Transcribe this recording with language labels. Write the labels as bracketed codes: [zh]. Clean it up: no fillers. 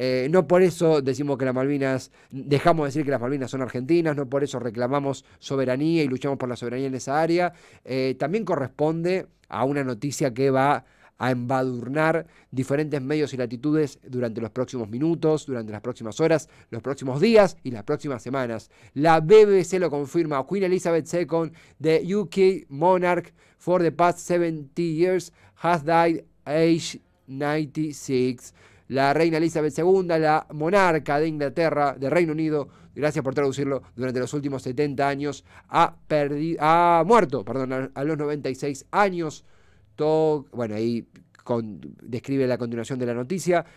[es] No por eso decimos que las Malvinas, dejamos de decir que las Malvinas son argentinas, no por eso reclamamos soberanía y luchamos por la soberanía en esa área. También corresponde a una noticia que va a embadurnar diferentes medios y latitudes durante los próximos minutos, durante las próximas horas, los próximos días y las próximas semanas. La BBC lo confirma. [en] Queen Elizabeth II, the UK monarch for the past 70 years, has died age 96. [es] La reina Elizabeth II, la monarca de Inglaterra, de Reino Unido, gracias por traducirlo, durante los últimos 70 años, ha muerto, a los 96 años, bueno, ahí describe la continuación de la noticia.